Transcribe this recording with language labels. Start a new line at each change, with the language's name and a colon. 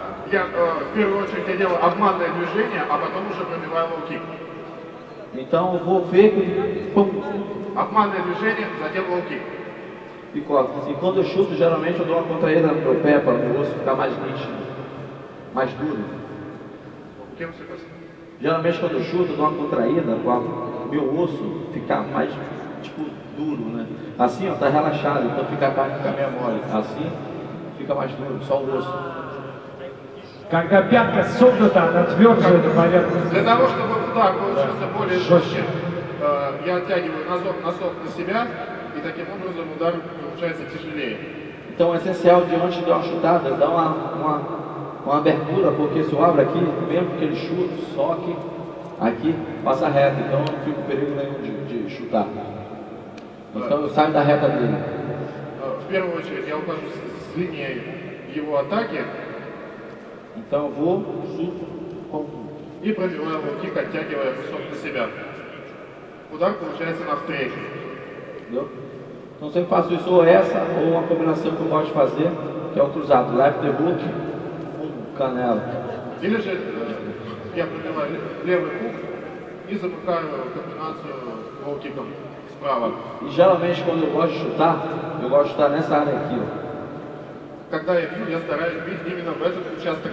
Russian: Я в первую очередь делаю обманное движение, а потом уже пробиваю лоу-кик.
Portuguese: Então eu vou ver que...
Russian: Обманное движение, затем лоу-кик.
Portuguese: E corto. Assim, quando eu chuto, geralmente eu dou uma contraída no meu pé para o osso ficar mais nítido, mais duro. O que você faz? Geralmente quando eu chuto, eu dou uma contraída para o meu osso ficar mais, tipo, duro, né? Assim, ó, tá relaxado, então fica a ficar meio mole. Assim. Fica mais duro, só o osso.
Russian: Когда пятка согнута, она твёрже эта поверхность. Для того, чтобы удар получился более жёстче, я оттягиваю носок на себя, и таким образом удар получается тяжелее.
Portuguese: Então, essencial diante de uma chutada, dá uma abertura, porque se eu abro aqui, mesmo que ele chute, soque, aqui passa reto, então não fica perigo nenhum de chutar. Então, eu saio da reta dele.
Russian: В первую очередь, я ухожу с линией его атаки.
Portuguese: Então eu vou, chuto,
Russian: и пробиваю его кик, оттягивая высок на себя. Удар получается навстречу.
Portuguese: Entendeu? Então sempre faço isso, ou essa, ou uma combinação que eu gosto de fazer, que é o cruzado, left hook, canela.
Russian: Или же я пробиваю левый хук и замыкаю комбинацию лоу-киком справа.
Portuguese: E geralmente quando eu gosto de chutar nessa área aqui.
Russian: Когда я бью, я стараюсь бить именно в этот участок.